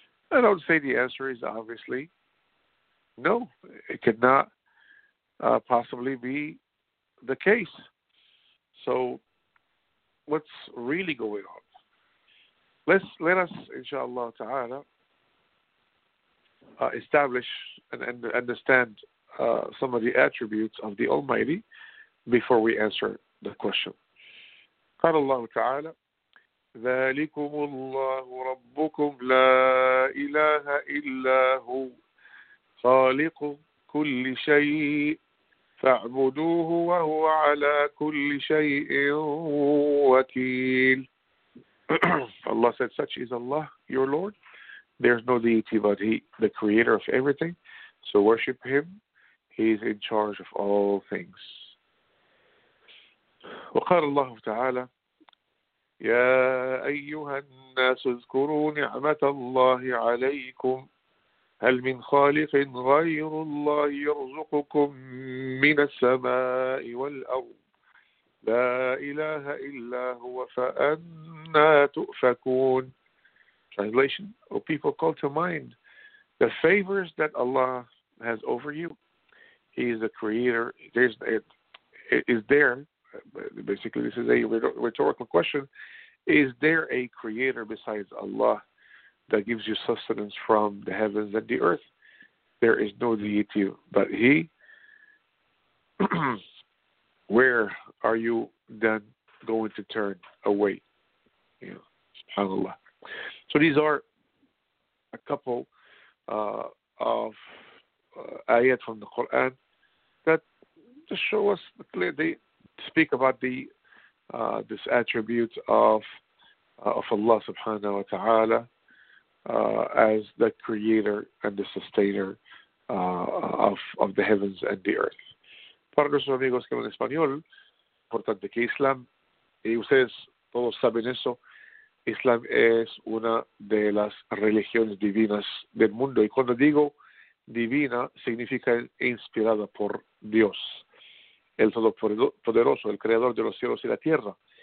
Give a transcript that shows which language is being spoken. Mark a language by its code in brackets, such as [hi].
[en] I don't say the answer is obviously no, it could not possibly be the case. So what's really going on. Let us, inshallah ta'ala, establish and understand some of the attributes of the Almighty before we answer the question. [ar] قال الله تعالى ذلكم الله ربكم لا إله إلا هو خالق كل شيء فاعبدوه وهو على كل شيء وكيل. [en] Allah said, such is Allah, your Lord. There is no deity but He, the creator of everything. So worship Him. He is in charge of all things. [ar] وقال الله تعالى يا أيها الناس اذكروا نعمة الله عليكم هل من خالق غير الله يرزقكم من السماء والأرض لا إله إلا هو فأنا تؤفكون. [en] Translation: O people, call to mind the favors that Allah has over you. He is the creator. Basically, this is a rhetorical question. Is there a creator besides Allah that gives you sustenance from the heavens and the earth? There is no deity but He. Where are you then going to turn away? You know, subhanAllah. So these are a couple of ayat from the Quran that just show us clearly. They speak about the this attribute of Allah subhanahu wa ta'ala as the creator and the sustainer of the heavens and the earth. [es] Para nuestros amigos que hablan español, importante que Islam, y ustedes todos saben eso, Islam es una de las religiones divinas del mundo. Y cuando digo divina, significa inspirada por Dios, el Todopoderoso, el Creador de los cielos y la tierra.